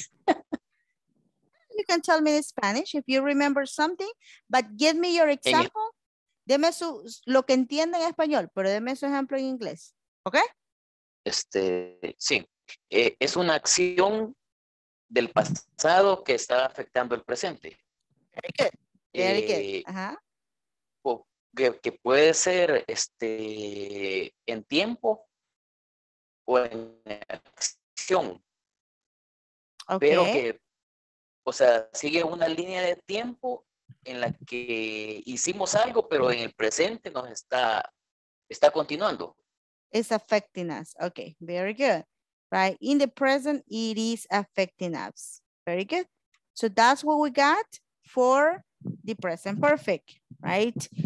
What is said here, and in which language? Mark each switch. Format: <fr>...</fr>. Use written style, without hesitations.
<en>You can tell me in Spanish if you remember something, but give me your example.</en> <es>Deme su, lo que entienda en español, pero deme su ejemplo en inglés. ¿Ok? Este, sí. Es una acción del pasado que está afectando el presente.</es> <en>Very good. Very good. Uh-huh.</en> <es>que puede ser este en tiempo o en acción. Okay. Pero que, o sea, sigue una línea de tiempo en la que hicimos algo, pero en el presente nos está continuando.</es> <en>It's affecting us. Okay, very good. Right, in the present, it is affecting us. Very good. So that's what we got for the present perfect, right?</en>